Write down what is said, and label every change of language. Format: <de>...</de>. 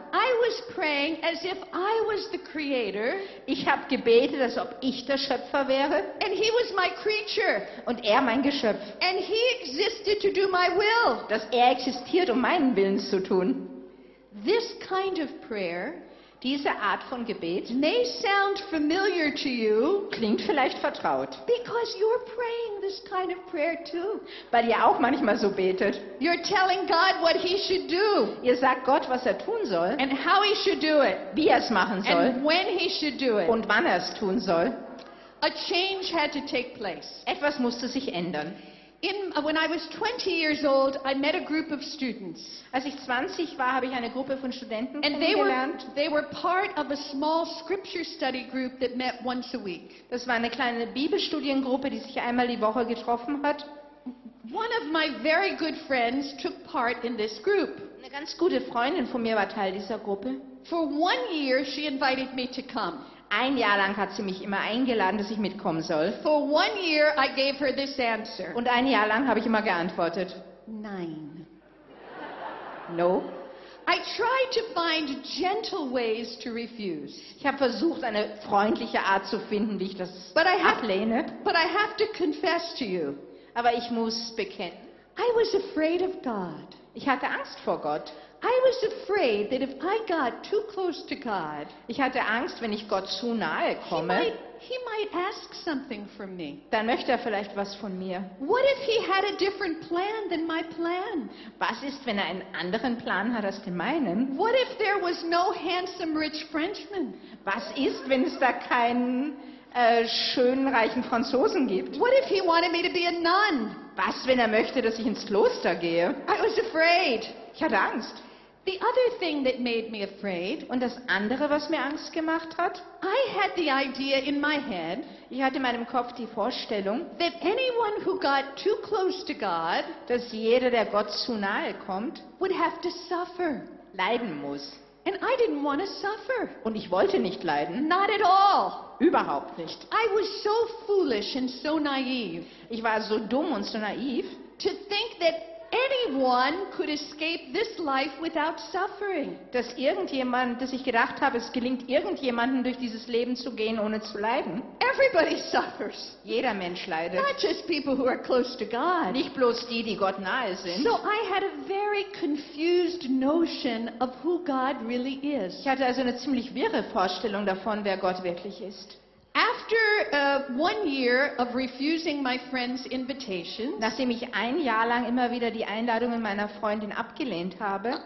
<en>I was praying as if I was the creator.</en> <de>Ich habe gebetet, als ob ich der Schöpfer wäre.</de> <en>And he was my creature.</en> <de>Und er mein Geschöpf.</de> <en>And he existed to do my will.</en> <de>Dass er existiert, um meinen Willen zu tun.</de> <en>This kind of prayer,</en> <de>diese Art von Gebet,</de> <en>may sound familiar to you,</en> <de>klingt vielleicht vertraut,</de> <en>because you're praying this kind of prayer too.</en> <de>Weil ihr auch manchmal so betet.</de> <en>You're telling God what he should do.</en> <de>Ihr sagt Gott, was tun soll.</de> <en>And how he should do it.</en> <de>Wie es machen soll.</de> <en>And when he should do it.</en> <de>Und wann es tun soll.</de> <en>A change had to take place.</en> <de>Etwas musste sich ändern.</de> <en>When I was 20 years old, I met a group of students.</en> <de>Als ich 20 war, habe ich eine Gruppe von Studenten kennengelernt.</de> <en>They were part of a small scripture study group that met once a week.</en> <de>Das war eine kleine Bibelstudiengruppe, die sich einmal die Woche getroffen hat.</de> <en>One of my very good friends took part in this group.</en> <de>Eine ganz gute Freundin von mir war Teil dieser Gruppe.</de> <en>For one year, she invited me to come.</en> <de>Ein Jahr lang hat sie mich immer eingeladen, dass ich mitkommen soll.</de> <en>For one year I gave her this answer.</en> <de>Und ein Jahr lang habe ich immer geantwortet. Nein.</de> <en>No. I tried to find gentle ways to refuse.</en> <de>Ich habe versucht, eine freundliche Art zu finden, wie ich das ablehne.</de> <en>But I have to confess to you.</en> <de>Aber ich muss bekennen.</de> <en>I was afraid of God.</en> <de>Ich hatte Angst vor Gott.</de> <en>I was afraid that if I got too close to God,</en> <de>ich hatte Angst, wenn ich Gott zu nahe komme,</de> <en>he might ask something from me.</en> <de>Dann möchte vielleicht was von mir.</de> <en>What if he had a different plan than my plan?</en> <de>Was ist, wenn einen anderen Plan hat als den meinen?</de> <en>What if there was no handsome rich Frenchman?</en> <de>Was ist, wenn es da keinen schönen reichen Franzosen gibt?</de> <en>What if he wanted me to be a nun?</en> <de>Was, wenn möchte, dass ich ins Kloster gehe?</de> <en>I was afraid.</en> <de>Ich hatte Angst.</de> <en>The other thing that made me afraid,</en> <de>und das andere, was mir Angst gemacht hat,</de> <en>I had the idea in my head,</en> <de>ich hatte in meinem Kopf die Vorstellung,</de> <en>that anyone who got too close to God,</en> <de>dass jeder, der Gott zu nahe kommt,</de> <en>would have to suffer,</en> <de>leiden muss.</de> <en>And I didn't want to suffer.</en> <de>Und ich wollte nicht leiden.</de> <en>Not at all.</en> <de>Überhaupt nicht.</de> <en>I was so foolish and so naive.</en> <de>Ich war so dumm und so naiv.</de> <en>To think that anyone could escape this life without suffering.</en> <de>Dass irgendjemand, dass ich gedacht habe, es gelingt irgendjemandem durch dieses Leben zu gehen, ohne zu leiden.</de> <en>Everybody suffers.</en> <de>Jeder Mensch leidet.</de> <en>Not just people who are close to God.</en> <de>Nicht bloß die, die Gott nahe sind.</de> <en>So I had a very confused notion of who God really is.</en> <de>Ich hatte also eine ziemlich wirre Vorstellung davon, wer Gott wirklich ist.</de> <en>After one year of refusing my friend's invitations,</en> <de>nachdem ich ein Jahr lang immer wieder die Einladungen meiner Freundin abgelehnt habe,</de>